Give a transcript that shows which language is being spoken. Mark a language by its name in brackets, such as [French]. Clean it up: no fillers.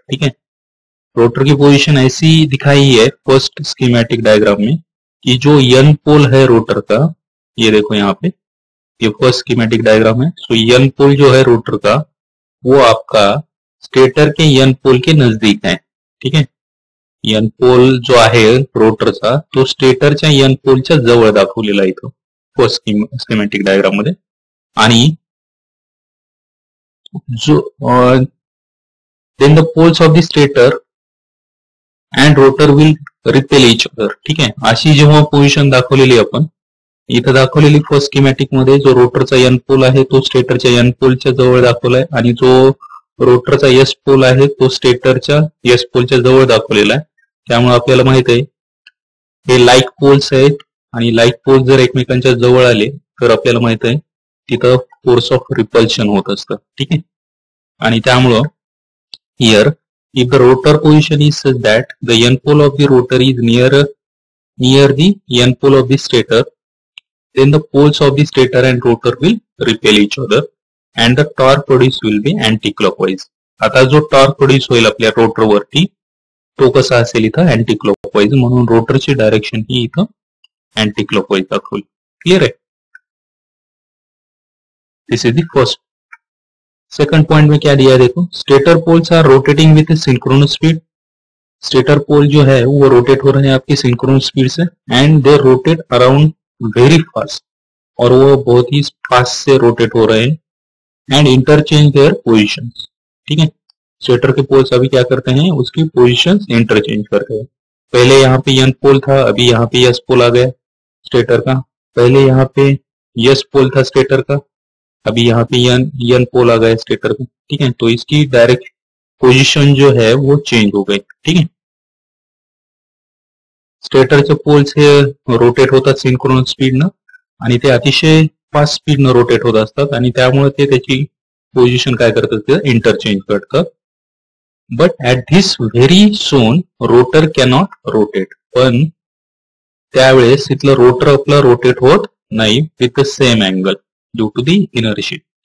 [Hindi] ठीक है, रोटर की पोजीशन ऐसी दिखाई है फर्स्ट स्कीमेटिक डायग्राम में कि जो एन पोल है रोटर का, ये देखो यहाँ पे ये फर्स्ट स्कीमेटिक डायग्राम है. सो एन पोल जो है रोटर का वो आपका स्टेटर के एन पोल के नजदीक है. ठीक है, एन पोल जो है रोटर का [Marathi] तो स्टेटर च्या एन पोल च्या जवळ दाखवलेला इथं फर्स्ट स्कीमेटिक डायग्राम मध्ये. आणि जो [English] Then the poles of the stator and rotor will repel each other. [Marathi] ठीक आहे, अशी जेव्हा पोझिशन दाखवलेली आपण इथं दाखवलेली फर्स्ट स्कीमॅटिक मध्ये, जो रोटरचा एन पोल आहे तो स्टेटरच्या एन पोलच्या जवळ दाखवलाय आणि जो रोटरचा एस पोल आहे तो स्टेटरच्या एस पोलच्या जवळ दाखवलेला आहे. त्यामुळे आपल्याला माहित आहे हे लाईक पोल्स आहेत आणि लाईक पोल जर एकमेकांच्या जवळ आले तर आपल्याला माहित आहे तिथं फोर्स ऑफ रिपल्शन होत असतं. ठीक आहे, आणि त्यामुळं [English] Here if the rotor position is such that the N pole of the rotor is near near the N pole of the stator, then the poles of the stator and rotor will repel each other and the torque produced will be anti-clockwise. [Marathi] आता जो torque produce होईल आपल्या rotor वरती तो कसा असेल इथं anti clockwise, म्हणून रोटरची डायरेक्शन ही इथं अँटी क्लॉकवाईज दाखवली. क्लिअर आहे? [English] This is the first. [Hindi] Second point में क्या दिया देखो, [English] Stator poles are rotating with synchronous speed. [Hindi] Stator pole जो है वो रोटेट हो रहे हैं आपके सिंक्रोनस स्पीड से [English] and they rotate around very fast, [Hindi] और वो बहुत ही फास्ट से रोटेट हो रहे हैं [English] And interchange their positions. [Hindi] ठीक है, स्टेटर के पोल्स अभी क्या करते हैं, उसकी पोजीशंस इंटरचेंज करते हैं. पहले यहाँ पे एन पोल था, अभी यहाँ पे एस पोल आ गया स्टेटर का. पहले यहाँ पे एस पोल था स्टेटर का, अभी यहाँ पे एन पोल आ गया स्टेटर का. ठीक है, तो इसकी डायरेक्ट पोजीशन जो है वो चेंज हो गई. ठीक है, स्टेटर के पोल से रोटेट होता सिंक्रोनस स्पीड ना, [Marathi] आणि ते अतिशय फास्ट स्पीड न रोटेट होत असतात आणि त्यामुळे ते त्याची पोजिशन काय करतात इंटरचेंज करतात. [English] but at this very soon rotor cannot rotate, [Marathi] पण त्यावेळेस इथलं रोटर आपलं रोटेट होत नाही [English] With the same angle due to the inertia.